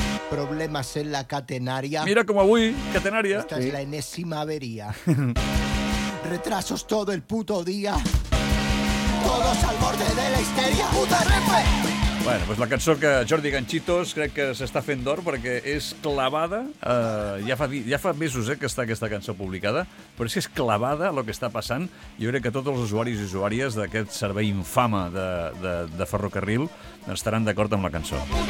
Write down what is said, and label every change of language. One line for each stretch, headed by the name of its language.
Spanish: Problemas en la catenària.
Catalan: Mira com avui, catenària.
Spanish: Esta es la enésima avería. Retrasos todo el puto día. Todos al borde de la histeria. Puta Renfe!
Catalan: Bueno, pues la cançó que Jordi Ganchitos crec que s'està fent d'or perquè és clavada, ja fa mesos que està aquesta cançó publicada, però és que és clavada el que està passant. Jo crec que tots els usuaris i usuàries d'aquest servei infame de ferrocarril estaran d'acord amb la cançó.